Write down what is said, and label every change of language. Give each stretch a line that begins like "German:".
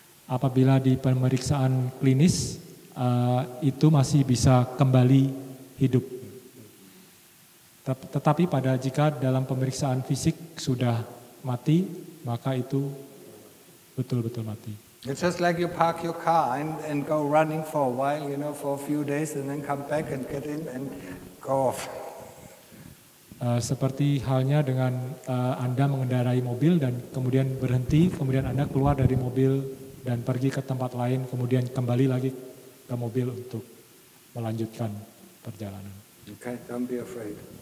Indonesian: Apabila di pemeriksaan klinis itu masih bisa kembali hidup. Tetapi pada jika dalam pemeriksaan fisik sudah mati, maka itu betul-betul mati.
English: It's just like you park your car and go running for a while, you know, for a few days and then come back and get in and go off.
Indonesian: Seperti halnya dengan Anda mengendarai mobil dan kemudian berhenti, kemudian Anda keluar dari mobil dan pergi ke tempat lain, kemudian kembali lagi ke mobil untuk melanjutkan perjalanan.
English: Okay, don't be afraid.